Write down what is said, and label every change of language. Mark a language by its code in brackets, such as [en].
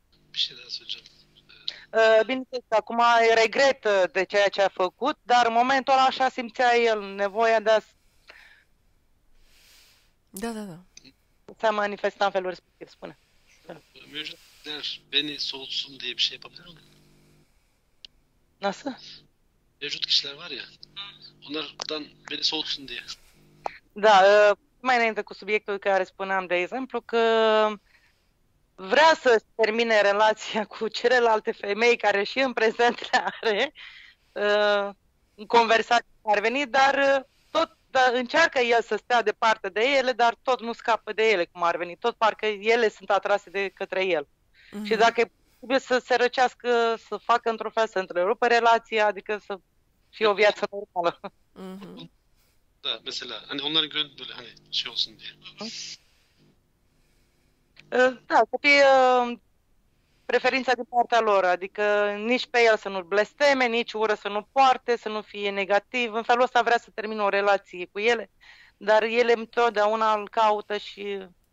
[ro] Și de bineînțeles, acum regretă de ceea ce a făcut, dar în momentul ăla așa simțea el nevoia de a Da. S-a manifestat în felul respectiv, spune. [tr] Mevcutler beni soğutsun diye bir şey yapabilir mi? Nasıl? Mevcut kişiler var ya, onlardan beni soğutsun diye. [ro] Da, mai înainte cu subiectul care spuneam, de exemplu, că vrea să termine relația cu celelalte femei care și în prezent le are, în conversație ar veni, dar tot dar încearcă el să stea departe de ele, dar tot nu scapă de ele cum ar veni, tot parcă ele sunt atrase de către el. Și dacă e posibil să se răcească, să facă într-un fel, să întrerupă relația, adică să fie o viață normală. [tr] Da, mesela hani onların gönlü böyle hani şey olsun diye. [ro] Da, să fie preferința din partea lor, adică nici pe el să nu-l blesteme, nici ură să nu poarte, să nu fie negativ. În felul ăsta vrea să termine o relație cu ele, dar ele întotdeauna îl caută și...